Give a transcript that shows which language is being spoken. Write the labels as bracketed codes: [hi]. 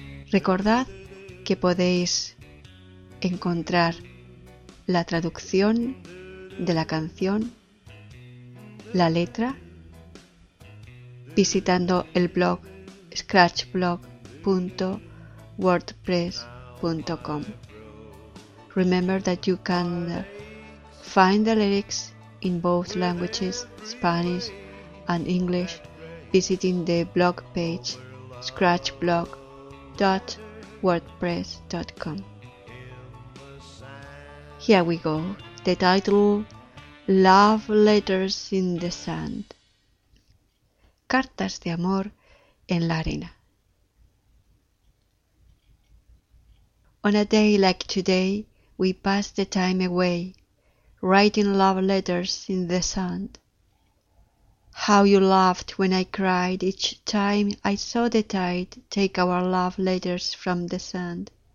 [es] Recordad que podéis encontrar la traducción de la canción, la letra, visitando el blog scratchblog.wordpress.com. [en] Remember that you can find the lyrics in both languages, Spanish and English, visiting the blog page scratchblog.wordpress.com. Here we go. The title, Love Letters in the Sand. [es] Cartas de amor en la arena. [en] On a day like today, we pass the time away, writing love letters in the sand. How you laughed when I cried each time I saw the tide take our love letters from the sand.